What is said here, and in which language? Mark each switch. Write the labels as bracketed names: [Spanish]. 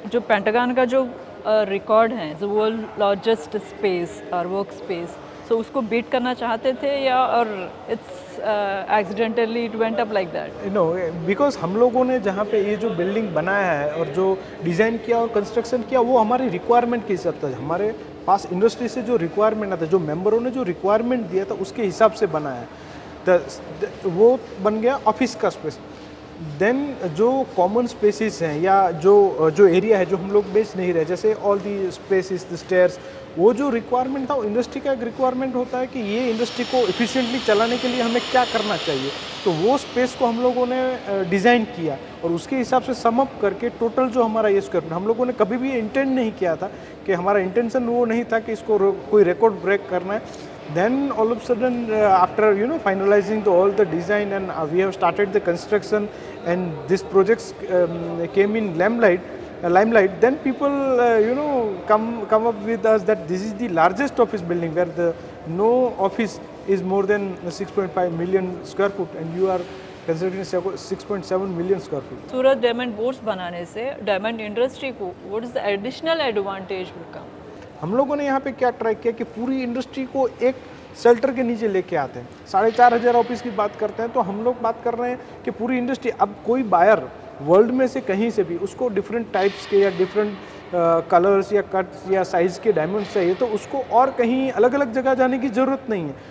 [Hindi] Jo Pentagon ka jo record hai, [English] the world largest space or work space, so [Hindi] usko beat karna chahte the ya, [English] or it's accidentally it went up like that? No, because [Hindi] hum logo ne jahan pe ye jo building banaya hai aur jo design kiya aur construction kiya, wo hamari requirement ke hisab se, hamare pass industry से जो requirement आता है, जो मेंबरों ने जो requirement दिया था, उसके हिसाब से बनाया है. वो बन गया ऑफिस का स्पेस. देन जो कॉमन स्पेसेस हैं या जो एरिया है जो हम लोग बेच नहीं रहे, जैसे [English] all the spaces, the stairs, [Hindi] वो जो रिक्वायरमेंट था, इंडस्ट्री का एक रिक्वायरमेंट होता है कि ये इंडस्ट्री को इफिशियंटली चलाने के लिए हमें क्या करना चाहिए, तो वो स्पेस को हम लोगों ने डिज़ाइन किया और उसके हिसाब से सम अप करके टोटल जो हमारा ये स्क्वायर फुट, हम लोगों ने कभी भी इंटेंट नहीं किया था कि हमारा इंटेंशन वो नहीं था कि इसको कोई रिकॉर्ड ब्रेक करना है. [English] Then all of a sudden, after finalizing all the design, and we have started the construction, and this project came in limelight, then people come up with us that this is the largest office building, where no office is more than 6.5 million square foot, and you are construction 6.7 million square feet. [Hindi] Surat diamond boards बनाने से diamond industry को [English] what is the additional advantage [Hindi] मिलेगा? हम लोगों ने यहाँ पे क्या ट्राई किया कि पूरी इंडस्ट्री को एक शेल्टर के नीचे लेके आते हैं। 4,500 ऑफिस की बात करते हैं तो हम लोग बात कर रहे हैं कि पूरी इंडस्ट्री, अब कोई बायर वर्ल्ड में से कहीं से भी, उसको डिफरेंट टाइप्स के या डिफरेंट कलर्स या कट्स या साइज़ के डायमंड चाहिए तो उसको और कहीं अलग अलग जगह जाने की ज़रूरत नहीं है।